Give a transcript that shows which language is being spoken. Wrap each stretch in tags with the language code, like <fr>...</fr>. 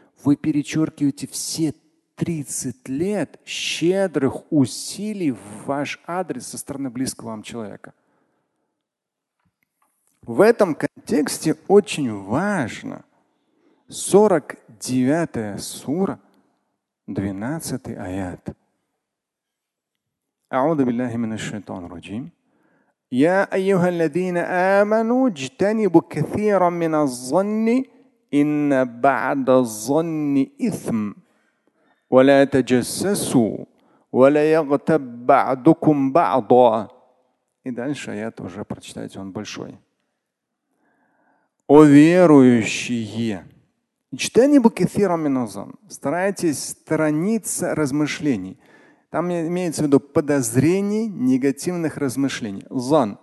<ru>Вы перечеркиваете все 30 лет щедрых усилий в ваш адрес со стороны близкого вам человека. В этом контексте очень важно 49-я сура, 12-й аят.</ru> <ar>أعوذ بالله من الشيطان الرجيم يا أيها الذين آمنوا اجتنبوا كثيرا من الظن إن بعد الظن إثم ولا تجسسوا ولا يغتب بعضكم بعضا.</ar> <ru>И дальше аят уже прочитайте, он большой. О верующие,</ru> <ar>اجتنبوا كثيرا من الظن,</ar> <ru>старайтесь сторониться размышлений. Там имеется в виду подозрений, негативных размышлений. Зан.</ru>